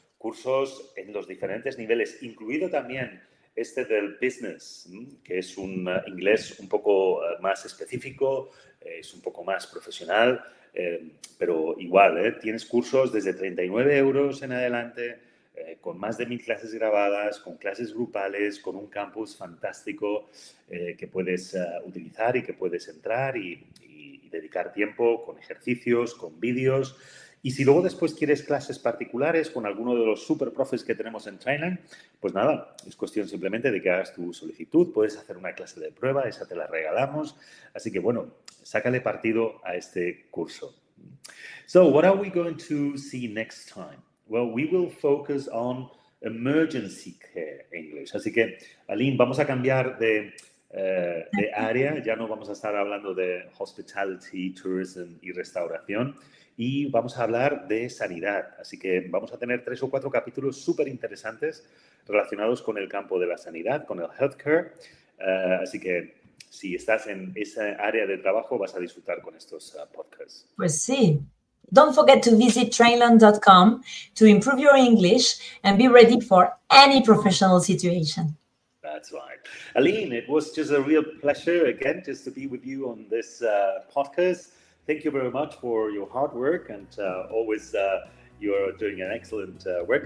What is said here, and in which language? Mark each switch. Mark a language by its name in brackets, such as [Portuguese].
[Spanish] Cursos en los diferentes niveles, incluido también este del business, que es un inglés un poco más específico, es un poco más profesional, pero igual, tienes cursos desde 39 euros en adelante, con más de 1,000 clases grabadas, con clases grupales, con un campus fantástico que puedes utilizar y que puedes entrar y dedicar tiempo con ejercicios, con vídeos. Y si luego después quieres clases particulares con alguno de los super profes que tenemos en Trainline, pues nada, es cuestión simplemente de que hagas tu solicitud, puedes hacer una clase de prueba, esa te la regalamos. Así que bueno, sácale partido a este curso. [English] So what are we going to see next time? Well, we will focus on emergency care English. [Spanish] Así que, Aline, vamos a cambiar de área. Ya no vamos a estar hablando de hospitality, tourism y restauración. Y vamos a hablar de sanidad. Así que vamos a tener 3 o 4 capítulos súper interesantes relacionados con el campo de la sanidad, con el healthcare. Así que si estás en esa área de trabajo, vas a disfrutar con estos podcasts. Pues sí. [English] Don't forget to visit trainline.com to improve your English and be ready for any professional situation. That's right. Aline, it was just a real pleasure again just to be with you on this podcast. Thank you very much for your hard work and always you are doing an excellent work.